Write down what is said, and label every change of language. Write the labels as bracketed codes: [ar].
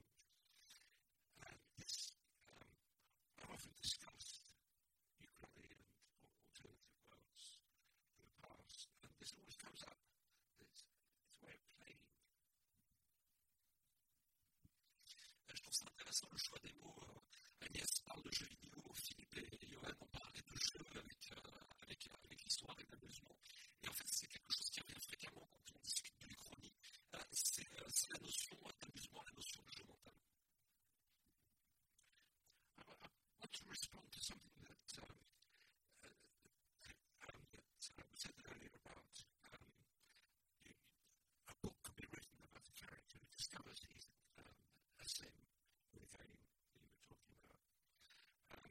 [en] I've often discussed Euclidean and alternative worlds in the past, and this always comes up that it's a way of playing. [fr] Je trouve ça intéressant le choix des mots. Agnès parle de jeux vidéo, Philippe et Johan ont parlé de jeux avec l'histoire et l'amusement. Et en fait, c'est quelque chose qui revient fréquemment quand on discute de l'uchronie. C'est la notion d'amusement, la notion de jeu mental. [en] To respond to something that was said earlier about a book could be written about the character who discovers he's a sim in the game that you were talking about.